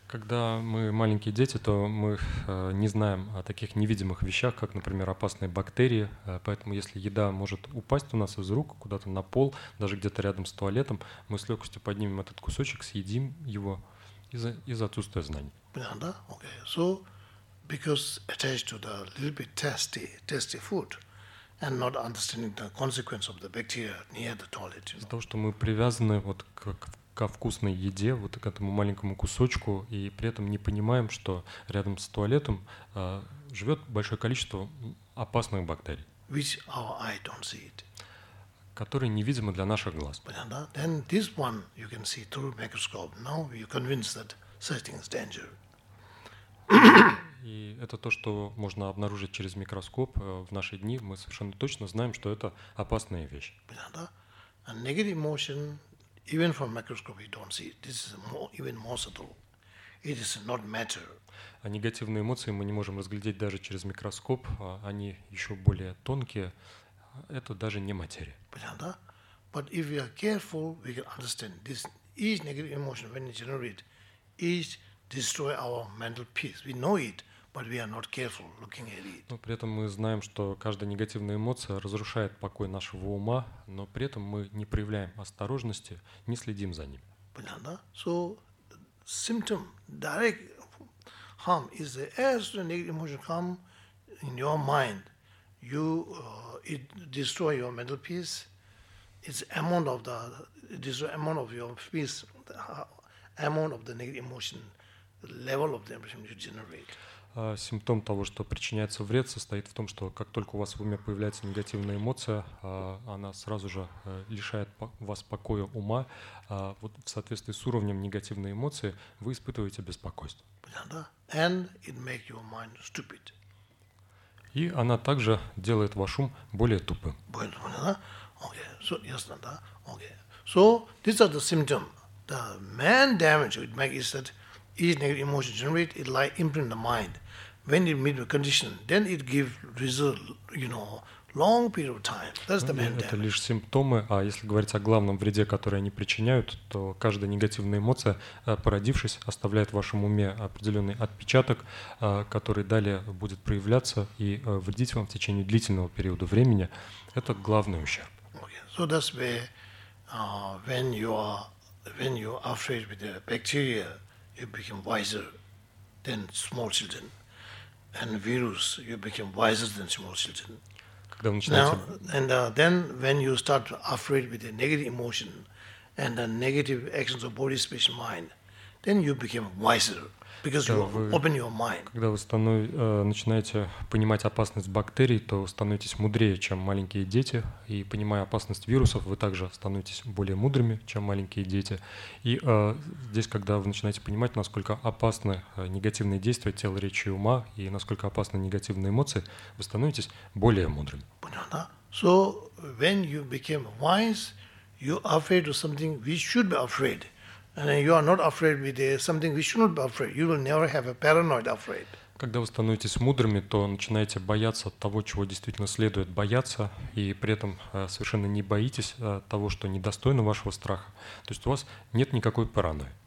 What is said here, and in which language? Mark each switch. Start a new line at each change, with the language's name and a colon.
Russian: Когда мы маленькие дети, то мы не знаем о таких невидимых вещах, как, например, опасные бактерии. Поэтому, если еда может упасть у нас из рук куда-то на пол, даже где-то рядом с туалетом, мы с легкостью поднимем этот кусочек, съедим его из-за отсутствия знаний. Да, okay.
English: So, because attached to the little bit tasty food. And not understanding the consequence of the bacteria near the toilet.
Russian: Из-за того, что мы привязаны вот к вкусной еде, вот к этому маленькому кусочку, и при этом не понимаем, что рядом с туалетом живет большое количество опасных бактерий.
English: Which our eye don't see it.
Russian: Которые невидимы для наших глаз. Понятно?
English: Then this one you can see through microscope. Now you convinced that such thing is danger.
Russian: И это то, что можно обнаружить через микроскоп. В наши дни мы совершенно точно знаем, что это опасная вещь. Да.
English: And negative emotion, even from microscope, you don't see. This is more, even more subtle. It is not matter.
Russian: А негативные эмоции мы не можем разглядеть даже через микроскоп. Они еще более тонкие. Это даже не материя. Да.
English: But if we are careful, we can understand this. Each negative emotion, when it generates, each destroy our mental peace. We know it, but we are not careful looking at it.
Russian: Но при этом мы знаем, что каждая негативная эмоция разрушает покой нашего ума, но при этом мы не проявляем осторожности, не следим за ним. Понятно, да?
English: So, symptom, direct harm is the as the negative emotion come in your mind, you it destroy your mental peace. It's amount of the destroy amount of your peace, the amount of the negative emotion. Level of the impression you generate.
Russian: Симптом того, что причиняется вред, состоит в том, что как только у вас в уме появляется негативная эмоция, она сразу же лишает вас покоя ума. Вот в соответствии с уровнем негативной эмоции вы испытываете беспокойство.
English: And it makes your mind stupid.
Russian: И она также делает ваш ум более тупым.
English: Okay. So,
Russian: ясно, да?
English: Okay. So, these are the symptoms. The main damage it makes is that each negative emotion generate it like imprint the mind. When it meet the condition, then it give result, you know, long period of time. That's the main damage.
Russian: Это лишь симптомы, а если говорить о главном вреде, который они причиняют, то каждая негативная эмоция, породившись, оставляет в вашем уме определенный отпечаток, который далее будет проявляться и вредить вам в течение длительного периода времени. Это главный ущерб.
English: Okay. So that's where, when you are afraid with the bacteria, you become wiser than small children. And virus, you become wiser than small children.
Russian: Когда вы начинаете...
English: Now, and then when you start afraid with a negative emotion and the negative actions of body, speech, mind, then you become wiser. Because you open your mind.
Russian: Когда вы начинаете понимать опасность бактерий, то становитесь мудрее, чем маленькие дети. И понимая опасность вирусов, вы также становитесь более мудрыми, чем маленькие дети. И здесь, когда вы начинаете понимать, насколько опасны негативные действия тела, речи и ума, и насколько опасны негативные эмоции, вы становитесь более мудрыми. Понятно?
English: So, when you became wise, you are afraid of something we should be afraid. And you are not afraid with something we should not be afraid. You will never have a paranoid afraid.
Russian: Когда вы становитесь мудрыми, то начинаете бояться того, чего действительно следует бояться, и при этом совершенно не боитесь того, что недостойно вашего страха. То есть у вас нет никакой паранойи.